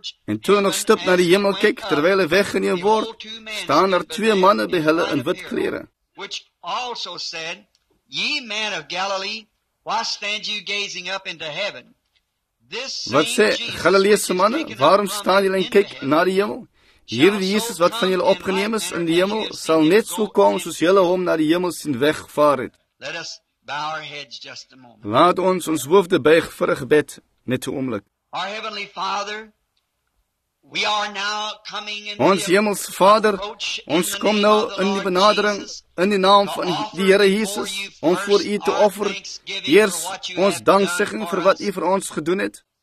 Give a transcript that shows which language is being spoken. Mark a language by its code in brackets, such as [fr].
[af] En toe hy nog stip na die hemel kyk, terwyl hy weggeneem word, staan daar twee manne by hulle in wit klere. [en] Which also said, ye men of Galilee, why stand you gazing up into heaven? [af] Wat sê, Galileese manne, waarom staan julle en kyk na die hemel? Hierdie Jesus wat van julle opgeneem is in die hemel, sal net so kom soos julle hom na die hemel sien weggevaar het. [en] Let us bow our heads just a moment. [af] Laat ons ons hoofde buig vir 'n gebed. Net so oomblik. [en] Our Heavenly Father, we are now coming in. [af] Ons Hemelse Vader, ons kom nou in die benadering in die naam van die Here Jesus om voor U te offer eers ons danksegging vir wat U vir ons gedoen het.